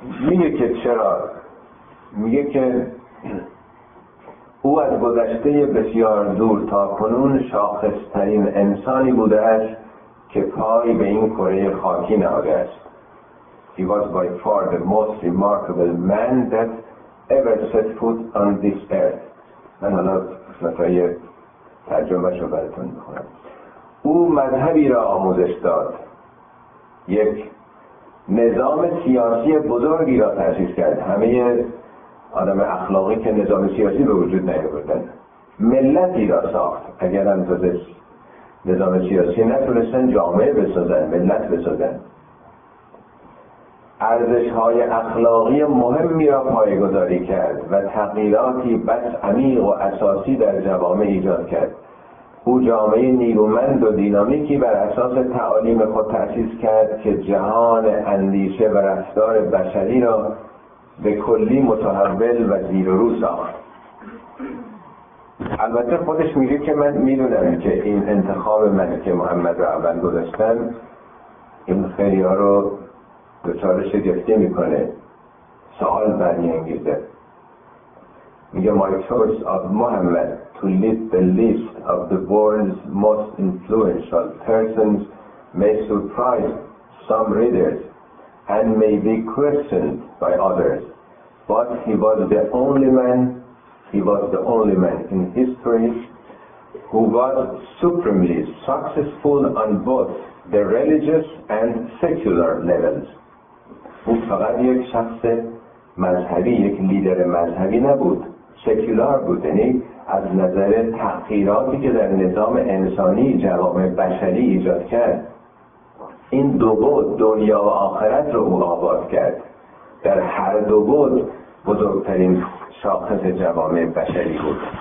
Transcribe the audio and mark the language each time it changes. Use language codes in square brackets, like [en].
[fa] میگه که چرا، میگه که او از گذشته بسیار دور تا کنون شاخص‌ترین انسانی بوده است که پای به این کره خاکی نهاده است. [en] He was by far the most remarkable man that ever set foot on this earth. [fa] من حالا قسمتهای ترجمهش رو براتون میخونم. او مذهبی را آموزش داد، یک نظام سیاسی بزرگی را تأسیس کرد. همه آدم اخلاقی که نظام سیاسی به وجود نیاوردن، ملتی را ساخت. اگر هم تازه نظام سیاسی نتونستن، جامعه بسازن، ملت بسازن. ارزش‌های اخلاقی مهمی را پایه‌گذاری کرد و تغییراتی بس عمیق و اساسی در جوامع ایجاد کرد. او جامعه نیرومند و دینامیکی بر اساس تعالیم خود تأسیس کرد که جهان اندیشه و رفتار بشری را به کلی متحول و زیر و رو ساخت. البته خودش میگه که من میدونم که این انتخاب منه که محمد رو اول گذاشتم این خیلی ها رو دچار شگفتی میکنه، سوال برمی انگیزه. میگه [en] my choice of Muhammad to lead the list of the world's most influential persons may surprise some readers and may be questioned by others, but he was the only man in history who was supremely successful on both the religious and secular levels. [fa] او فقط یک شخص مذهبی، یک لیدر مذهبی نبود، سکولار بود، یعنی از نظر تغییراتی که در نظام انسانی جوامع بشری ایجاد کرد، این دو بود دنیا و آخرت رو آباد کرد، در هر دو بود بزرگترین شاخص جوامع بشری بود.